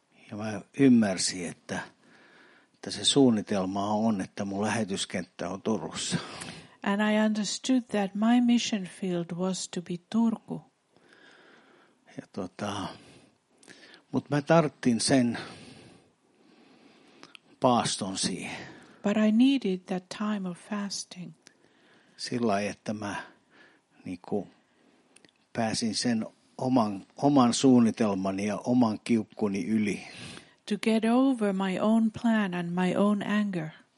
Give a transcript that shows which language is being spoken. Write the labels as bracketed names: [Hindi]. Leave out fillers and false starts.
[Finnish] Ja mä ymmärsin, että se suunnitelma on, että mun lähetyskenttä on Turussa. [English] And I understood that my mission field was to be Turku. [Finnish] Ja mut mä tarttin sen paaston siihen. [English] But I needed that time of fasting. [Finnish] Sillä lailla, että mä niinku pääsin sen oman suunnitelmani ja oman kiukkuni yli. [English] To get over my own plan and my own anger.